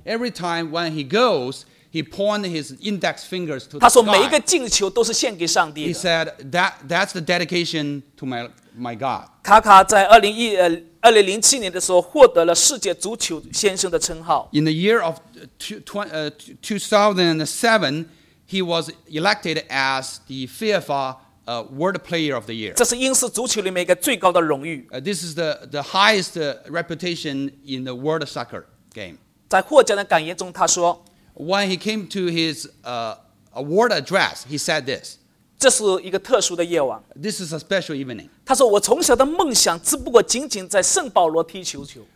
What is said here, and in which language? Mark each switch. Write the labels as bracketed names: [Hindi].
[English] Every time when he goes, he points his index fingers to the sky. [Chinese] 他说每一个进球都是献给上帝的。 [English] He said that's the dedication to my God. [Chinese] 卡卡在2007年的时候获得了世界足球先生的称号。 [English] In the year of 2007, he was elected as the FIFA World Player of the Year. This is the highest reputation in the world soccer game. [Chinese] 在获奖的感言中他说, [English] when he came to his award address, he said this. [Chinese] 这是一个特殊的夜晚, [English] this is a special evening. [Chinese] 他说我从小的梦想只不过仅仅在圣保罗踢球球。